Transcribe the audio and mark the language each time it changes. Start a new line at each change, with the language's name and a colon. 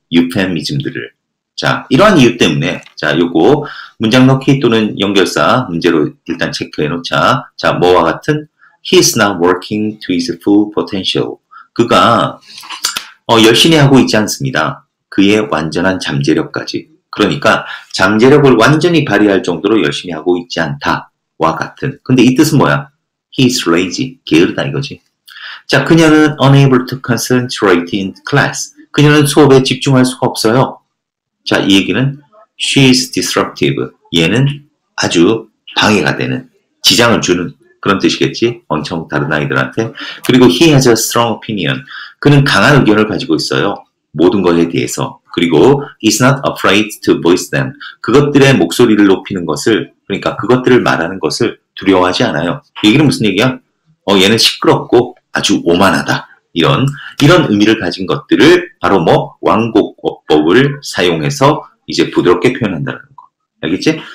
Korean: 유페미즘들을. 자, 이러한 이유 때문에 자, 요거 문장 넣기 또는 연결사 문제로 일단 체크해 놓자.
English: 자,
Korean: 뭐와 같은
English: he is not working to his full potential.
Korean: 그가 열심히 하고 있지 않습니다. 그의 완전한 잠재력까지. 그러니까 잠재력을 완전히 발휘할 정도로 열심히 하고 있지 않다와 같은. 근데 이 뜻은 뭐야?
English: He is lazy.
Korean: 게으르다 이거지.
English: 자,
Korean: 그녀는
English: unable to concentrate in class.
Korean: 그녀는 수업에 집중할 수가 없어요. 자, 이 얘기는
English: she is disruptive.
Korean: 얘는 아주 방해가 되는, 지장을 주는 그런 뜻이겠지? 엄청 다른 아이들한테.
English: 그리고 he has a strong opinion.
Korean: 그는 강한 의견을 가지고 있어요. 모든 것에 대해서.
English: 그리고 is not afraid to voice them.
Korean: 그것들의 목소리를 높이는 것을, 그러니까 그것들을 말하는 것을 두려워하지 않아요. 얘기는 무슨 얘기야? 얘는 시끄럽고 아주 오만하다. 이런 의미를 가진 것들을 바로 뭐 왕복어법을 사용해서 이제 부드럽게 표현한다는 거. 알겠지?